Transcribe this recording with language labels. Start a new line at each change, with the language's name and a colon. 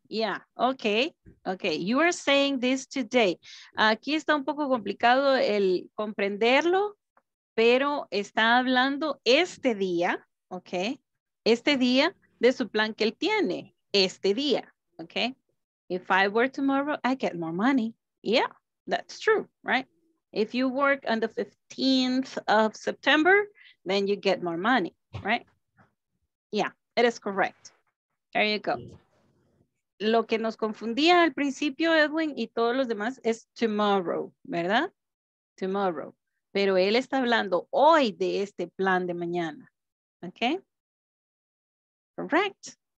English: Yeah, okay, you are saying this today.
Spanish: Aquí está un poco complicado el comprenderlo, pero está hablando este día, okay, este día de su plan que él tiene, este día, okay.
English: If I work tomorrow, I get more money. Yeah, that's true, right? If you work on the 15th of September, then you get more money, right? Yeah, it is correct. There you go.
Spanish: Lo que nos confundía al principio, Edwin, y todos los demás, es tomorrow, ¿verdad? Tomorrow. Pero él está hablando hoy de este plan de mañana. Okay? Correct.